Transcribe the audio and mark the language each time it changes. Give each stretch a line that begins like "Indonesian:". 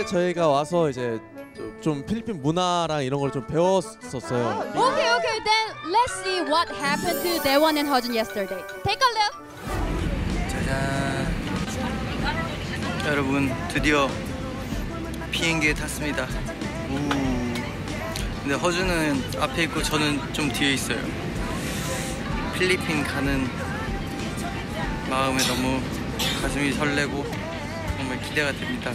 Korean: 좀 필리핀 문화랑 이런 걸 좀 배웠었어요.
English: Okay, okay. Then let's see what happened to Daewon and Heojun yesterday. Take a look.
Korean: 짜잔. 여러분, 드디어 비행기에 탔습니다. 오. 근데 허준은 앞에 있고 저는 좀 뒤에 있어요. 필리핀 가는 마음에 너무 가슴이 설레고 정말 기대가 됩니다.